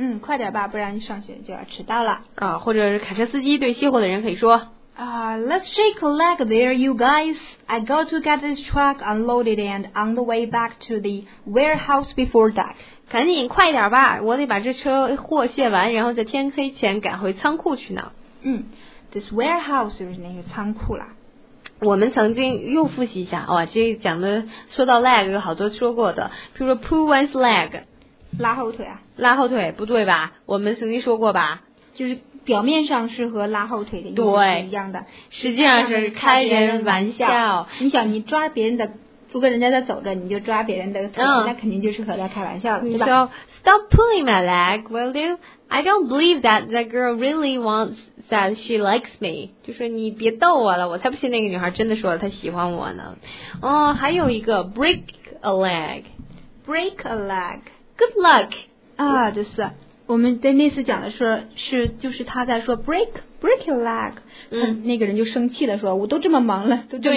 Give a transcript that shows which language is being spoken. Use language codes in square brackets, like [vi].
[zh] 快点吧，不然上学就要迟到了。或者是卡车司机对熄火的人可以说 [en] Let's shake a leg there, you guys. I got to get this truck unloaded and on the way back to the warehouse before dark. [zh] 赶紧快点吧，我得把这车货卸完，然后在天黑前赶回仓库去呢。嗯 ， [en] this warehouse [zh] 就是那些仓库啦。我们曾经又复习一下，哇，这讲的说到 lag 有好多说过的，比如说 [en] pull one's leg， [zh] 拉后腿啊。拉后腿不对吧？我们曾经说过吧？就是表面上是和拉后腿的意思是一样的，实际上是开人玩笑。你想，你抓别人的，如果人家在走着，你就抓别人的腿，那肯定就是和他开玩笑了，对吧？ [en] Stop pulling my leg, will you? I don't believe that that girl really wants that she likes me. [zh] 就是你别逗我了，我才不信那个女孩真的说了她喜欢我呢。还有一个 [en] break a leg, break a leg. Good luck. [zh] 啊，就是。我们在那次讲的时候是就是他在说 [en] break your leg、 [zh] 那个人就生气了，说我都这么忙了，都这么